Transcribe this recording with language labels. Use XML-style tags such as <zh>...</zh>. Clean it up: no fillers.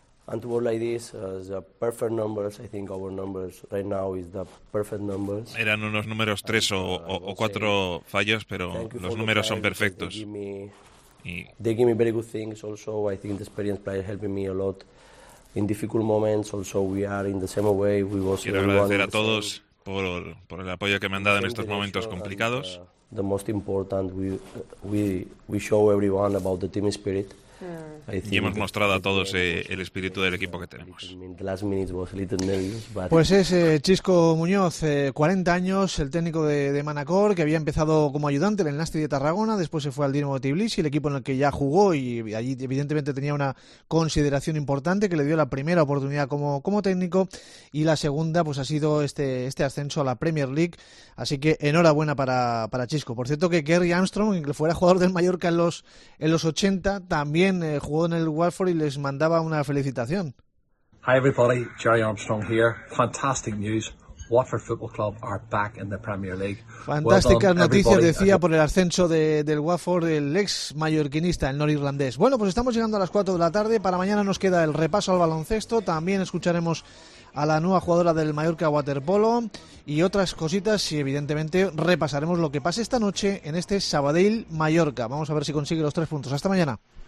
<en>And to work like this, as a perfect numbers, I think our numbers right now is the perfect numbers.</en> <es>Eran unos números 3 o 4 fallos, pero los números son perfectos.</es> <en>They give me very good things also. I think the experience player helping me a lot. In difficult moments, also we are in the same way. We was.</en> <es>Quiero agradecer a todos por el apoyo que me han dado en estos momentos complicados.</es> <en>The most important, we show everyone about the team spirit.</en> <es>Y hemos mostrado a todos el espíritu del equipo que tenemos. Pues es Chisco Muñoz, 40 años, el técnico de Manacor, que había empezado como ayudante en el Nasti de Tarragona, después se fue al Dinamo de Tbilisi, el equipo en el que ya jugó y allí evidentemente tenía una consideración importante que le dio la primera oportunidad como técnico, y la segunda pues ha sido este ascenso a la Premier League. Así que enhorabuena para Chisco. Por cierto, que Gary Armstrong, que fuera jugador del Mallorca en los 80, también jugó en el Watford y les mandaba una felicitación.</es> <en>Hi everybody, Gary Armstrong here. Fantastic news. Watford Football Club are back in the Premier League.</en> <es>Fantásticas noticias, decía, por el ascenso del Watford, el ex mallorquinista, el norirlandés. Bueno, pues estamos llegando a las 4 de la tarde. Para mañana nos queda el repaso al baloncesto. También escucharemos a la nueva jugadora del Mallorca Waterpolo y otras cositas, y evidentemente repasaremos lo que pase esta noche en este Sabadell Mallorca. Vamos a ver si consigue los 3 puntos. Hasta mañana.</es>